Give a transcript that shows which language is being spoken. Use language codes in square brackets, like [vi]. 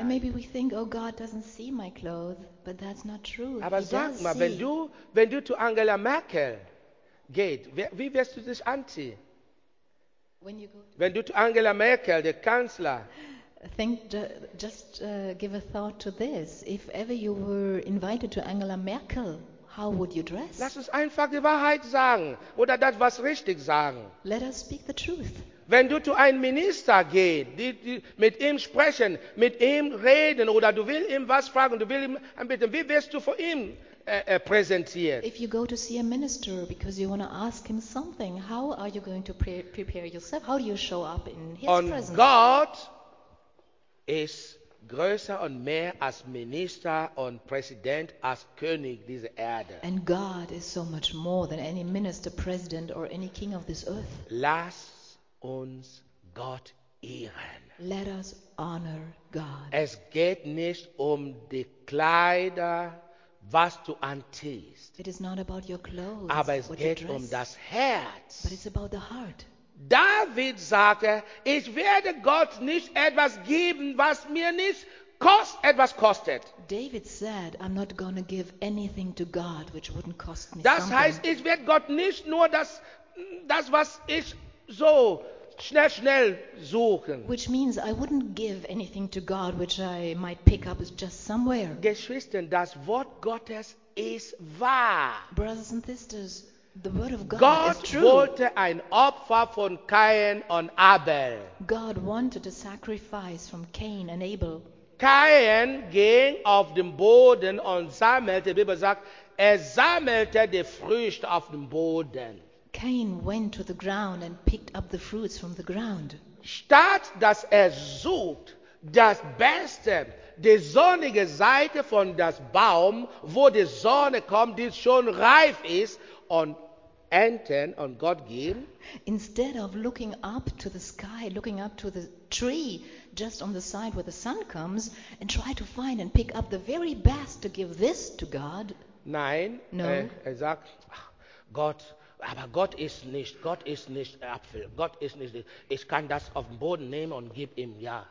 [en] And maybe we think, oh, God doesn't see my clothes, but that's not true. [de] Aber [en] he [de] sag mal, [en] see. [de] wenn du zu Angela Merkel gehst, wie wirst du dich anziehen? [en] When you go [de] to, wenn du zu Angela Merkel, der Kanzler, [en] think just give a thought to this. If ever you were invited to Angela Merkel, how would you dress? [de] Lass uns einfach die Wahrheit sagen oder das, was richtig sagen. [en] Let us speak the truth. [de] Wenn du zu einem Minister gehst, mit ihm sprechen, mit ihm reden, oder du willst ihm was fragen, du willst ihm anbieten, wie wirst du vor ihm präsentiert? [en] If you go to see a minister because you want to ask him something, how are you going to prepare yourself? How do you show up in his [de] und [en] presence? [de] Und Gott ist größer und mehr als Minister und Präsident, als König dieser Erde. [en] And God is so much more than any minister, president or any king of this earth. [de] Lass uns Gott ehren. [en] Let us honor God. [de] Es geht nicht um die Kleider, was du anziehst. [en] It is not about your clothes. [de] Aber es geht um das Herz. [en] But it's about the heart. [de] David sagte, ich werde Gott nicht etwas geben, was mir nicht etwas kostet. [en] David said, I'm not going to give anything to God which wouldn't cost me [de] das [en] something. [de] Das heißt, ich werde Gott nicht nur das was ich so schnell suchen. [en] Which means I wouldn't give anything to God which I might pick up just somewhere. [de] Geschwister, das Wort Gottes ist wahr. [en] Brothers and sisters, the word of God [de] Gott [en] is true. [de] Wollte ein Opfer von Kain und Abel. [en] God wanted a sacrifice from Cain and Abel. [de] Kain ging auf den Boden und sammelte, die Bibel sagt, sammelte die Früchte auf dem Boden. [en] Cain went to the ground and picked up the fruits from the ground. [de] Statt dass sucht das Beste, die sonnige Seite von das Baum, wo die Sonne kommt, die schon reif ist, und enten und Gott geben. [en] Instead of looking up to the sky, looking up to the tree, just on the side where the sun comes, and try to find and pick up the very best to give this to God. [de] Nein. [en] No. [de] Er sagt, Gott, aber Gott ist nicht Apfel. Gott ist nicht. Ich kann das auf den Boden nehmen und gib ihm, ja.